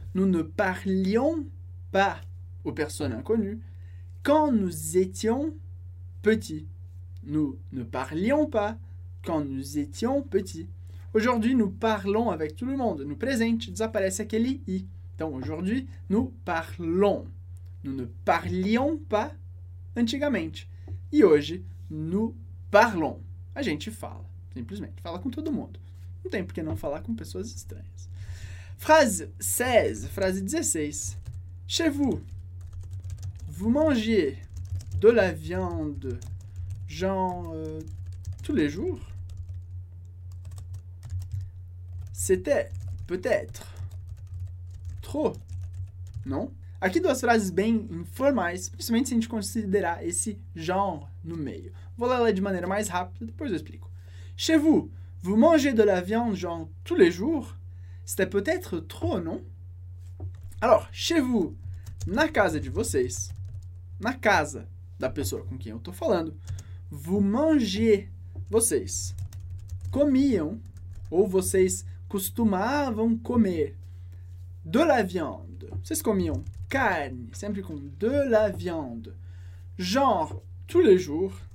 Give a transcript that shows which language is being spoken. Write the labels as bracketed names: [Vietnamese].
[French] Nous ne parlions pas aux personnes inconnues quand nous étions petits. Nous ne parlions pas quand nous étions petits. Aujourd'hui, nous parlons avec tout le monde. [Portuguese] No presente, desaparece aquele i. [French] Então, aujourd'hui, nous parlons. Nous ne parlions pas antigamente. [Portuguese] E hoje, [French] nous parlons. [Portuguese] A gente fala. Simplesmente, fala com todo mundo. Não tem por que não falar com pessoas estranhas. [French] Phrase 16, Chez vous, vous mangez de la viande, genre, tous les jours? C'était peut-être Trop. Non? [Portuguese] Aqui duas frases bem informais, principalmente se a gente considerar esse genre no meio. Vou ler ela de maneira mais rápida, depois eu explico. [French] Chez vous, vous mangez de la viande genre tous les jours? C'était peut-être trop, non? Alors, chez vous, [Portuguese] na casa de vocês, na casa da pessoa com quem eu tô falando, [French] vous mangez, [Portuguese] vocês comiam, ou vocês costumavam comer, [French] de la viande, [Portuguese] vocês comiam carne, sempre com [French] de la viande, genre, tous les jours.